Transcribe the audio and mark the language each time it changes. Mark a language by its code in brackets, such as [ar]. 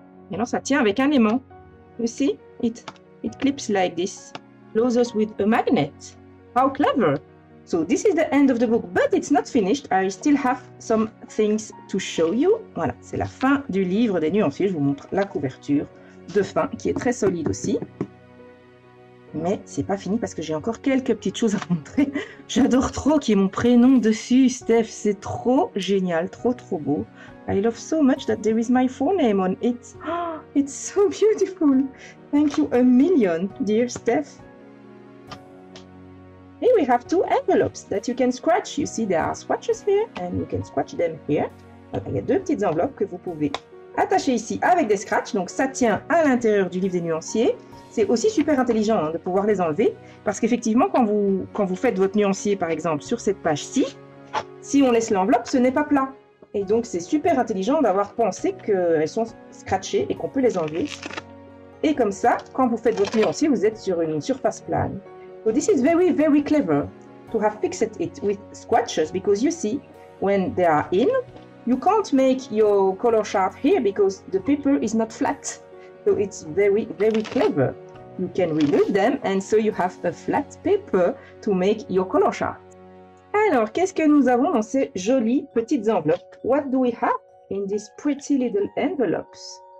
[fr] Et alors, ça tient avec un aimant. [en] You see, it clips like this. Closes with a magnet. How clever. So, this is the end of the book, but it's not finished. I still have some things to show you. [fr] Voilà, c'est la fin du livre des nuanciers. Je vous montre la couverture de fin, qui est très solide aussi. Mais c'est pas fini parce que j'ai encore quelques petites choses à montrer. J'adore trop qu'il y ait mon prénom dessus, Steph. C'est trop génial, trop trop beau. [en] I love so much that there is my full name on it. Oh, it's so beautiful. Thank you a million, dear Steph. Here we have 2 envelopes that you can scratch. You see there are swatches here and you can scratch them here. [fr] Il y a 2 petites enveloppes que vous pouvez attacher ici avec des scratchs. Donc ça tient à l'intérieur du livre des nuanciers. C'est aussi super intelligent hein, de pouvoir les enlever parce qu'effectivement, quand vous faites votre nuancier, par exemple, sur cette page-ci, si on laisse l'enveloppe, ce n'est pas plat. Et donc, c'est super intelligent d'avoir pensé qu'elles sont scratchées et qu'on peut les enlever. Et comme ça, quand vous faites votre nuancier, vous êtes sur une surface plane. [en] So this is very, very clever to have fixed it with swatches because you see, when they are in, you can't make your color chart here because the paper is not flat. So it's very, very clever. You can remove them and so you have a flat paper to make your color chart. [fr] Alors, qu'est-ce que nous avons dans ces jolies petites enveloppes? [en] What do we have in these pretty little envelopes?